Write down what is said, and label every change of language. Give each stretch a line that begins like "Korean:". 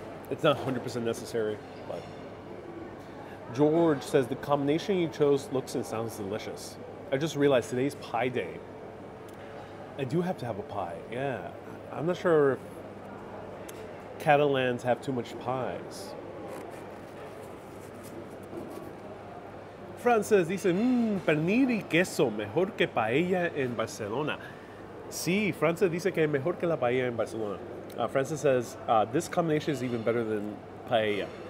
English: It's not 100% necessary, but George says, the combination you chose looks and sounds delicious. I just realized today's pie day. I do have to have a pie, yeah. I'm not sure if Catalans have too much pies.
Spanish: Frances dice, pernil y queso, mejor que paella en Barcelona. Sí, Frances dice que mejor que la paella en Barcelona.
English: Frances says, this combination is even better than paella.